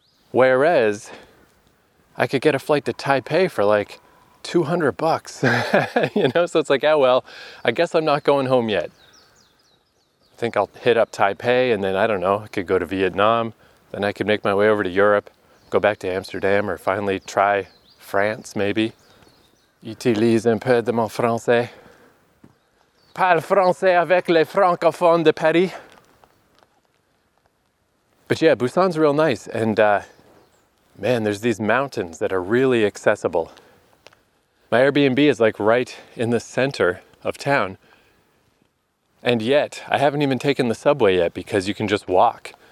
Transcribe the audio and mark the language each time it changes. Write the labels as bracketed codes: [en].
[en] Whereas, I could get a flight to Taipei for like $200, you know? So it's like, yeah, well, I guess I'm not going home yet. I think I'll hit up Taipei and then, I don't know, I could go to Vietnam. Then I could make my way over to Europe, go back to Amsterdam, or finally try France, maybe. [fr] Utilise un peu de mon français. Parle français avec les francophones de Paris. [en] But yeah, Busan's real nice. And man, there's these mountains that are really accessible. My Airbnb is like right in the center of town. And yet, I haven't even taken the subway yet because you can just walk.